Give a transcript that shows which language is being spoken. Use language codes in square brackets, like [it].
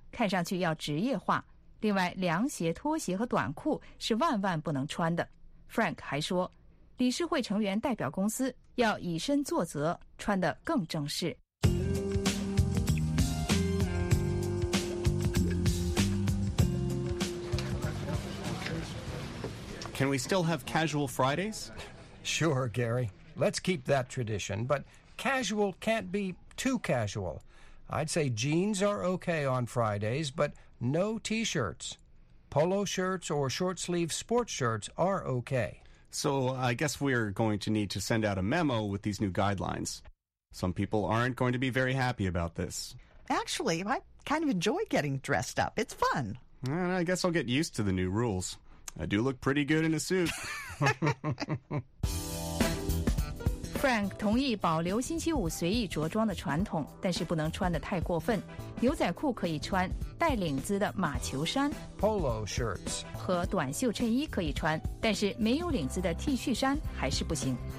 [zh] 看上去要职业化,另外凉鞋、拖鞋和短裤是万万不能穿的。Frank还说, 理事会成员代表公司要以身作则,穿得更正式。Can [en] we still have casual Fridays? Sure, Gary. Let's keep that tradition, but casual can't be too casual. I'd say jeans are okay on Fridays, but no T-shirts. Polo shirts or short-sleeve sports shirts are okay. So I guess we're going to need to send out a memo with these new guidelines. Some people aren't going to be very happy about this. Actually, I kind of enjoy getting dressed up. It's fun. And I guess I'll get used to the new rules. I do look pretty good in a suit. [zh] Frank 同意保留星期五随意着装的传统，但是不能穿得太过分。牛仔裤可以穿，带领子的马球衫 [en] Polo shirts [zh] 和短袖衬衣可以穿，但是没有领子的 T 恤衫还是不行。